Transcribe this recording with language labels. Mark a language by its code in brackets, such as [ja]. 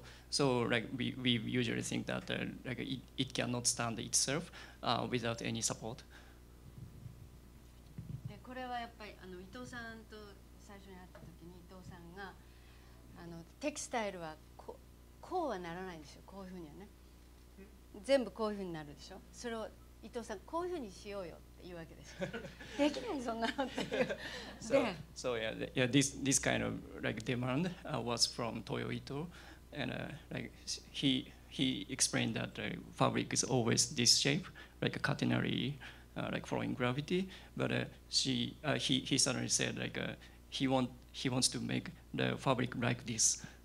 [en] So like we usually think that like it cannot stand itself without any support. [ja] でこれはやっぱり伊藤さんと最初に会った時に伊藤さんがテキスタイルはこうはならないんですよ、こういうふうにはね。全部こういうふうになるでしょ。それを伊藤さんこういうふうにしようよって言うわけです。できないそんなのっていう。 [en] So yeah, yeah, this kind of like demand was from Toyo Ito, and he explained that fabric is always this shape, like a catenary, like following gravity. But he suddenly said like he wants to make the fabric like this.